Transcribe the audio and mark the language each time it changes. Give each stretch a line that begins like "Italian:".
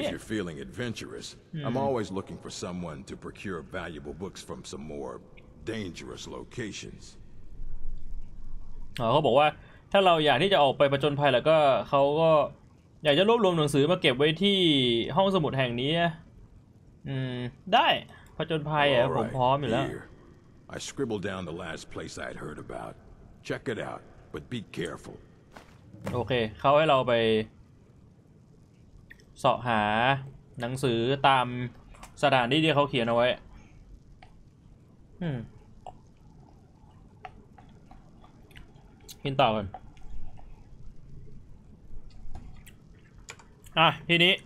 English: If you're feeling adventurous, I'm always looking for someone to procure valuable books from some more dangerous locations.
Thai: เขาบอกว่าถ้าเราอยากที่จะออกไปผจญภัยแล้วก็เขาก็อยากจะรวบรวมหนังสือมาเก็บไว้ที่ห้องสมุดแห่งนี้ได้ผจญภัยอ่ะผมพร้อมอยู่แล้ว
English: I scribbled down the last place I'd heard aboutCheck it out, but be careful.
Thai: Okay, เขาให้เราไปเสาะหาหนังสือตามสถานที่ที่เขาเขียนเอาไว้กินต่อกันทีนี